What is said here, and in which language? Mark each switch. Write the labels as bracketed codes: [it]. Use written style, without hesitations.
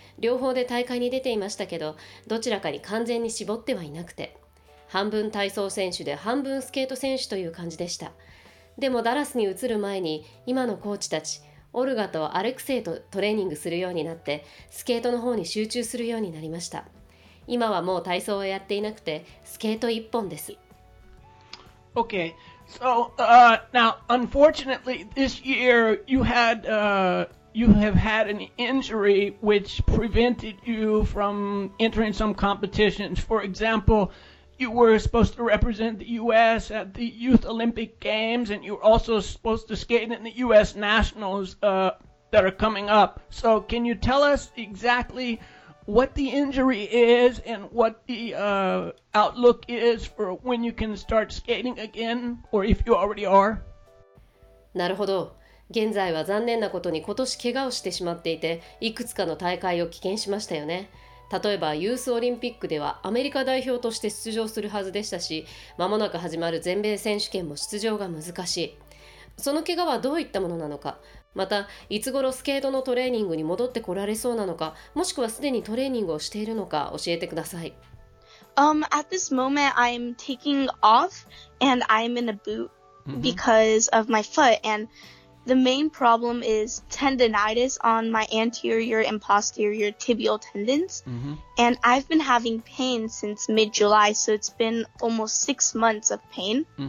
[ja] 両方で大会に出ていましたけど、どちらかに完全に絞ってはいなくて、半分体操選手で半分スケート選手という感じでした。でもダラスに移る前に今のコーチたち、オルガとアレクセイとトレーニングするようになって、スケートの方に集中するようになりました。今はもう体操をやっていなくて、スケート一本です。 [en] Okay, so now unfortunately this year you have had an injury which prevented you from entering some competitions. For example, you were supposed to represent the U.S. at the Youth Olympic Games, and you were also supposed to skate in the U.S. Nationals that are coming up. So can you tell us exactly what the injury is and what the outlook is for when you can start skating again, or if you already are? [ja] なるほど。現在は残念なことに今年怪我をしてしまっていて、いくつかの大会を棄権しましたよね。例えばユースオリンピックではアメリカ代表として出場するはずでしたし、まもなく始まる全米選手権も出場が難しい。その怪我はどういったものなのか、またいつ頃スケートのトレーニングに戻ってこられそうなのか、もしくはすでにトレーニングをしているのか教えてください。 [en] At this moment, I'm taking off and I'm in a boot because of my foot. And the main problem is tendonitis on my anterior and posterior tibial tendons. And I've been having pain since mid-July, so it's been almost 6 months of pain.